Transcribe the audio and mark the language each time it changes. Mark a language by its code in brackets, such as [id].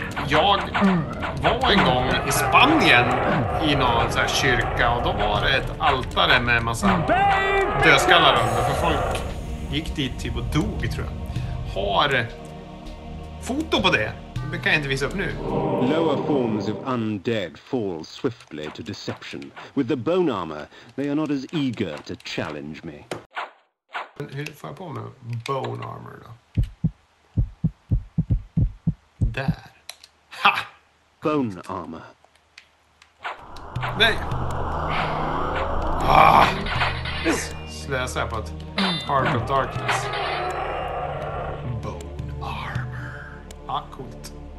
[sv] Jag var en gång i Spanien i någon sån här kyrka och då var det ett altare med massa dödskallar under. För folk gick dit typ och dog, tror jag. Har foto på det. Det kan jag inte visa upp nu. [en] Lower forms of undead fall swiftly to deception. With the bone armor, they are not as eager to challenge me. [sv] Hur får jag på med bone armor då? Där. Ha! [en] Bone armor. [sv] Nej! Ah! Slösa på ett Heart of Darkness. Bone armor. Ah, coolt.